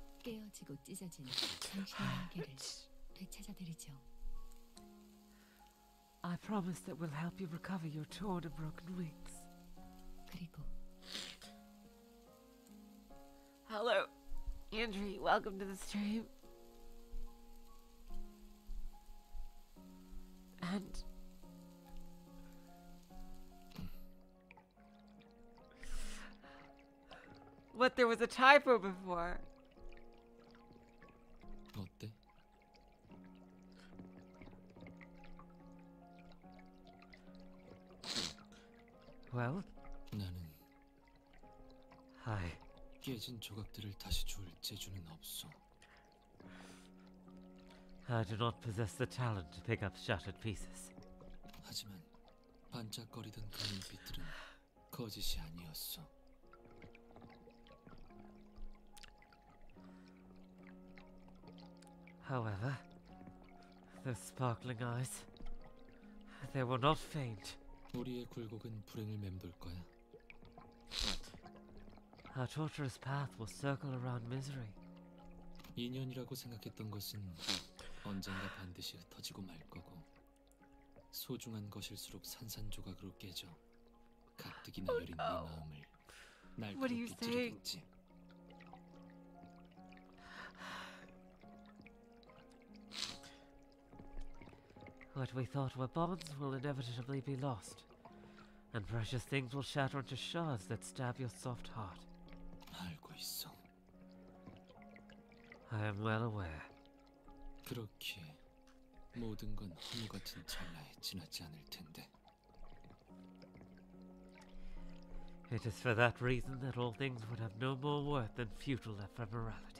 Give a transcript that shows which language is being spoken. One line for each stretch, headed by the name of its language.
Korean: 깨어지고 찢어진 당신의 길을 되찾아드리죠.
English: I promise that we'll help you recover your torn and broken wings.
Korean: 그리고,
English: hello, Andre. Welcome to the stream. And what, there was a typo before. What the? Well,
Korean: 나는
English: Hi.
Korean: 깨진 조각들을 다시 주울 재주는 없어.
English: I do not possess the talent to pick up shattered pieces.
Korean: 하지만 반짝거리던 그 눈빛들은 거짓이 아니었어.
English: However, those sparkling eyes, they were not faint.
Korean: 우리의 굴곡은 불행을 맴돌 거야.
English: Our torturous path will circle around misery.
Korean: 인연이라고 생각했던 것은 언젠가 반드시 흩어지고 말 거고 소중한 것일수록 산산조각으로 깨져 가뜩이나
English: oh,
Korean: 여린
English: no.
Korean: 네 마음을 날카롭게 찌르겠지.
English: What we thought were bonds will inevitably be lost, and precious things will shatter into shards that stab your soft heart.
Korean: 알고 있어.
English: I am well aware.
Korean: 그렇게 모든 건 허무 같은 찰나에 지나지 않을 텐데.
English: It is for that reason that all things would have no more worth than futile ephemerality.